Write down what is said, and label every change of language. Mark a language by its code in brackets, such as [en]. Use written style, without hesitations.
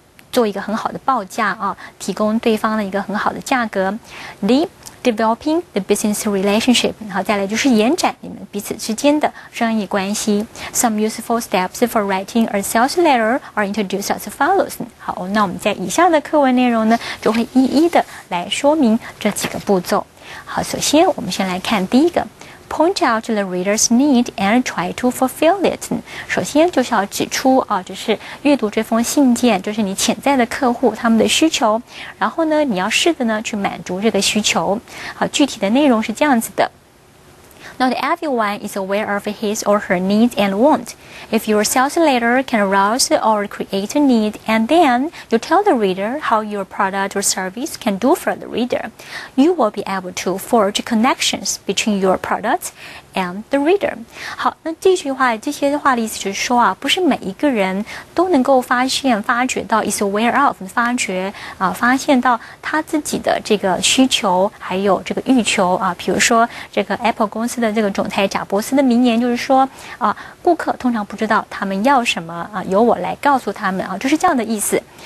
[zh] 做一个很好的报价啊，提供对方的一个很好的价格 D [en] developing the business relationship [zh] 好再来就是延展你们彼此之间的生意关系 [en] Some useful steps for writing a sales letter are introduced as follows [zh] 好那我们在以下的课文内容呢就会一一的来说明这几个步骤好首先我们先来看第一个 [en] Point out the reader's need and try to fulfill it. [zh] 首先就是要指出啊，就是阅读这封信件，就是你潜在的客户他们的需求。然后呢，你要试着呢去满足这个需求。好，具体的内容是这样子的。 [en] Not everyone is aware of his or her needs and wants. If your sales letter can arouse or create a need, and then you tell the reader how your product or service can do for the reader, you will be able to forge connections between your product and the reader. [zh] 好，那这句话，这些话的意思就是说啊，不是每一个人都能够发现、发觉到 [en] is aware of， [zh] 发觉啊，发现到他自己的这个需求还有这个欲求啊，比如说这个 Apple 公司。的这个总裁贾伯斯的名言就是说啊，顾客通常不知道他们要什么啊，由我来告诉他们啊，就是这样的意思。